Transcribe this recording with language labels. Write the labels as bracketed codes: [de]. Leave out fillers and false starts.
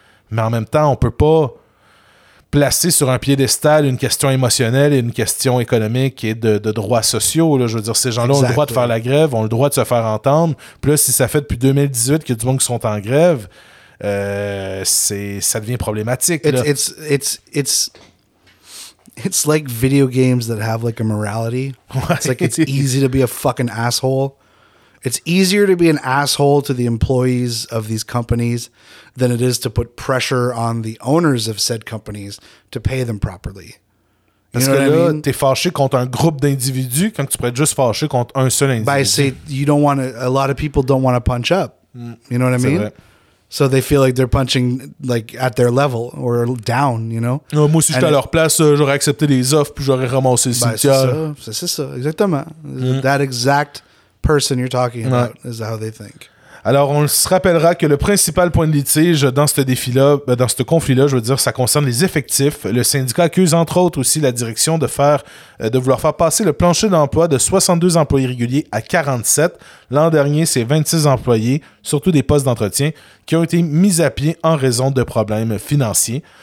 [fr] Mais en même temps, on peut pas placer sur un piédestal une question émotionnelle et une question économique et de droits sociaux. Là. Je veux dire, ces gens-là ont le droit de faire la grève, ont le droit de se faire entendre. Puis là, si ça fait depuis 2018 qu'il y a du monde qui sont en grève, ça devient problématique. [en] It's like video games that have like a morality. It's like it's easy to be a fucking asshole. It's easier to be an asshole to the employees of these companies than it is to put pressure on the owners of said companies to pay them properly. [fr] Parce que là, t'es fâché contre un groupe d'individus quand tu pourrais être juste fâché contre un seul individu. [en] But I say you don't want to, a lot of people don't want to punch up. You know what I mean? [fr] C'est vrai. [en] So they feel like they're punching like at their level or down, you know? [fr] Non, moi, si j'étais à leur place, j'aurais accepté des offres puis j'aurais ramassé le cimetière. C'est ça, exactement. Mm-hmm. [en] That exact person you're talking about is how they think. [fr] Alors, on se rappellera que le principal point de litige dans ce conflit-là, je veux dire, ça concerne les effectifs. Le syndicat accuse, entre autres, aussi la direction de vouloir faire passer le plancher d'emploi de 62 employés réguliers à 47. L'an dernier, c'est 26 employés, surtout des postes d'entretien, qui ont été mis à pied en raison de problèmes financiers.